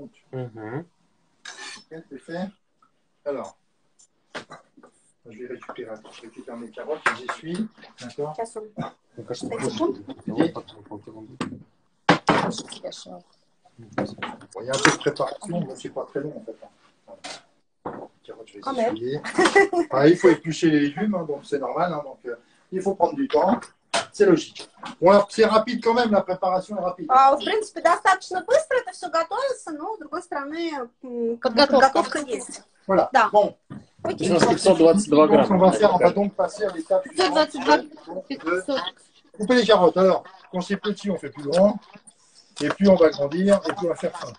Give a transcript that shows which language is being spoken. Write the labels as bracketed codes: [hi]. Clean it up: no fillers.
[ru] Сейчас он. Я тут приготовил, но не так долго. [fr] je vais essayer. Enfin, il faut éplucher les légumes, hein, donc c'est normal. Hein, donc, il faut prendre du temps. C'est logique. Bon, alors, c'est rapide quand même, la préparation est rapide. En principe, [ru] достаточно быстро это все готовится, но, с другой стороны, подготовка есть. [fr] Voilà. Да. Bon. Okay. 122 grammes. Donc, on va faire, on va donc passer à l'étape 122. Couper les carottes. Alors, quand c'est petit, on fait plus grand. Et puis, on va grandir et puis, on va faire fin.